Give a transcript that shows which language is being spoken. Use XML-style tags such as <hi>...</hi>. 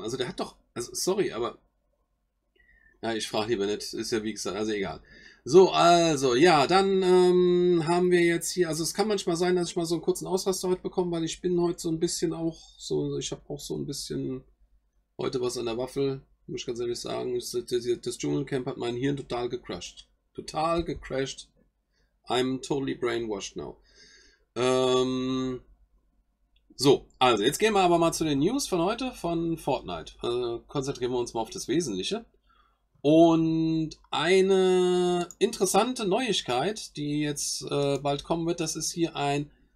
<de>Also, der hat doch, also, sorry, aber. Ja, ich frage lieber nicht, ist ja wie gesagt, also egal. So, also, ja, dann haben wir jetzt hier, also es kann manchmal sein, dass ich mal so einen kurzen Ausraster heute bekomme, weil ich bin heute so ein bisschen auch, so, ich habe auch so ein bisschen heute was an der Waffel, muss ich ganz ehrlich sagen. Das Dschungelcamp hat mein Hirn total gecrushed. Total gecrashed.</de> <en>I'm totally brainwashed now.</en> <de>So, also, jetzt gehen wir aber mal zu den News von heute von Fortnite. Konzentrieren wir uns mal auf das Wesentliche. Und eine interessante Neuigkeit, die jetzt bald kommen wird, das ist hier ein.</de>